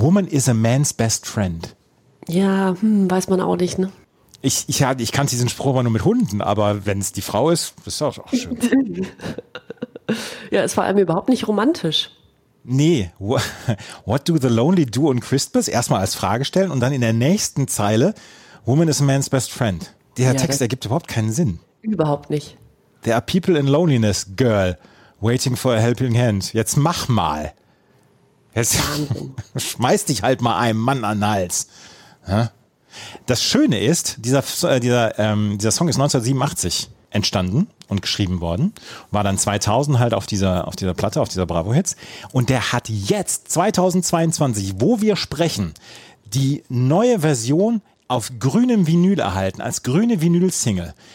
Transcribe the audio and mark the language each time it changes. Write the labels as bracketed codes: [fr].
[en] Woman is a man's best friend. [de] Ja, weiß man auch nicht, ne? Ich kann diesen Spruch aber nur mit Hunden, aber wenn es die Frau ist, ist das auch schön. Ja, es war einem überhaupt nicht romantisch. [en] Nee, what do the lonely do on Christmas? [de] Erstmal als Frage stellen und dann in der nächsten Zeile, [en] woman is a man's best friend. [de] Dieser Text ergibt überhaupt keinen Sinn. Überhaupt nicht. [en] There are people in loneliness, girl, waiting for a helping hand. [de] Jetzt mach mal. Jetzt schmeiß dich halt mal einem Mann an den Hals. Das Schöne ist, dieser Song ist 1987 entstanden und geschrieben worden, war dann 2000 halt auf dieser Platte, auf dieser Bravo Hits, und der hat jetzt 2022, wo wir sprechen, die neue Version auf grünem Vinyl erhalten, als grüne Vinyl-Single.